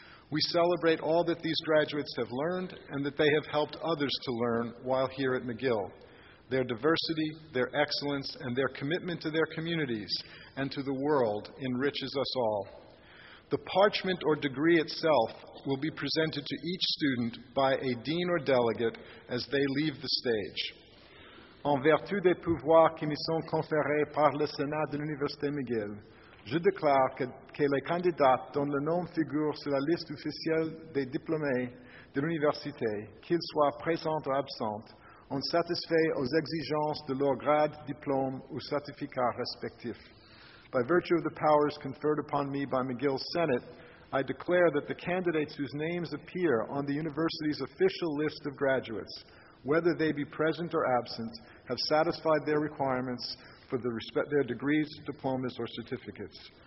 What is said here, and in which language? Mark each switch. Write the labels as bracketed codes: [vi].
[en] We celebrate all that these graduates have learned and that they have helped others to learn while here at McGill. Their diversity, their excellence, and their commitment to their communities and to the world enriches us all. The parchment or degree itself will be presented to each student by a dean or delegate as they leave the stage. [fr] En vertu des pouvoirs qui me sont conférés par le Sénat de l'Université McGill, je déclare que les candidats dont le nom figure sur la liste officielle des diplômés de l'Université, qu'ils soient présents ou absents, ont satisfait aux exigences de leur grade, diplôme ou certificat respectif. [en] By virtue of the powers conferred upon me by McGill's Senate, I declare that the candidates whose names appear on the university's official list of graduates, whether they be present or absent, have satisfied their requirements for their degrees, diplomas, or certificates.